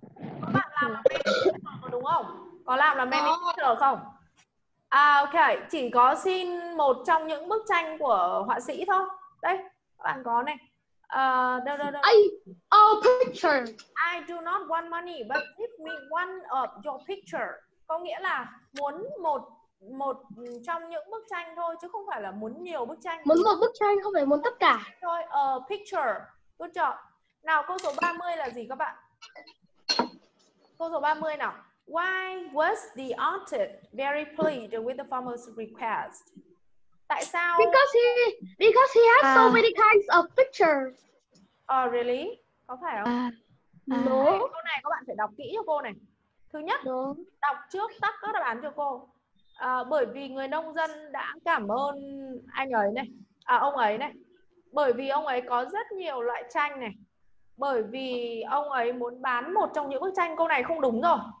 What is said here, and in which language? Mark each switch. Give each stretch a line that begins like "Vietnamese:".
Vietnamese: Các bạn làm là
English: many picture
Vietnamese: đúng không? Có làm là many picture không? À okay, chỉ có xin một trong những bức tranh của họa sĩ thôi. Đây, các bạn có này.
English: Đâu. A picture. I do not want money, but give me one of your picture.
Vietnamese: Có nghĩa là muốn một trong những bức tranh thôi, chứ không phải là muốn nhiều bức tranh. Muốn một bức tranh, không phải muốn tất cả. Thôi,
English: a picture.
Vietnamese: Tôi chọn. Nào, câu số 30 là gì các bạn? Câu số 30 nào.
English: Why was the artist very pleased with the farmer's request?
Vietnamese: Tại sao?
English: Because he has so many kinds of pictures. Really?
Vietnamese: Có phải không?
English: No.
Vietnamese: Câu này các bạn phải đọc kỹ cho cô này. Thứ nhất,
English: no.
Vietnamese: Đọc trước tắt các đáp án cho cô. Bởi vì người nông dân đã cảm ơn anh ấy này, ông ấy này. Bởi vì ông ấy có rất nhiều loại tranh này. Bởi vì ông ấy muốn bán một trong những bức tranh. Câu này không đúng rồi.